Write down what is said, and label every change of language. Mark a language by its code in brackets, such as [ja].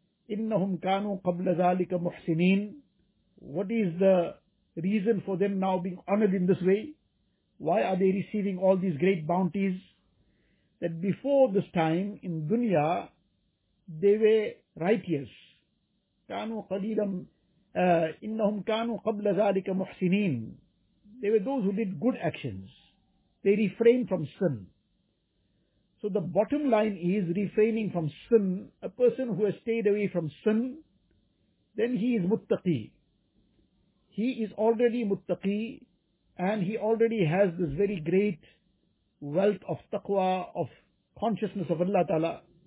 [ar] إِنَّهُمْ كَانُوا قَبْلَ ذَلِكَ مُحْسِنِينَ. [en] What is the reason for them now being honored in this way? Why are they receiving all these great bounties? That before this time in dunya, they were righteous. [ar] كانوا قليلاً إنهم كانوا قبل ذلك محسنين. [en] They were those who did good actions. They refrained from sin. So the bottom line is refraining from sin. A person who has stayed away from sin, then he is muttaqi. He is already muttaqi, and he already has this very great wealth of taqwa, of consciousness of Allah Ta'ala.